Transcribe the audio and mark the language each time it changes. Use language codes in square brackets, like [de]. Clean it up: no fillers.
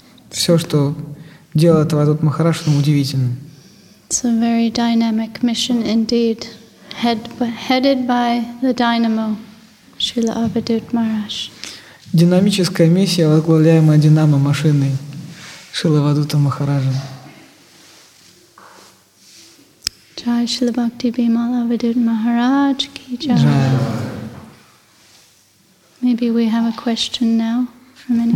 [ru] Все, что делает Авадхут Махарадж, удивительно. [en] It's a very dynamic mission indeed, headed by the dynamo, Srila Avadhut Maharaj. [ru] Динамическая миссия, возглавляемая динамо-машиной Шрилы Авадхута Махараджа. Джай Шрила Бхакти Бимала Авадхут Махарадж Ки Джай. Джай. [en] Maybe we have a question now from anyone.